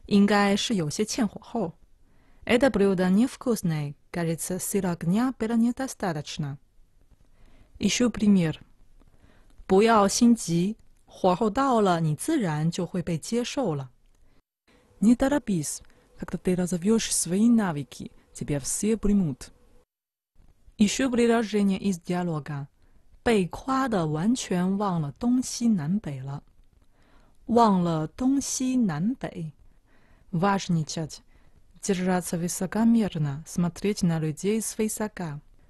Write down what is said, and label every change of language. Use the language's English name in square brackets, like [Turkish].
[Chinese] 这道菜味道不好,应该是有些欠火候. [Russian] Это блюдо невкусное, кажется, сыра огня было недостаточно. Еще пример. [Chinese] 不要心急,火候到了,你自然就会被接受了. [Russian] Не торопись, когда ты разовьешь свои навыки, тебя все примут. Еще предложение из диалога. [Chinese] 被夸的完全忘了东西南北了. 忘了东西南北. [Russian] Важничать. Держаться высокомерно, смотреть на людей свысока.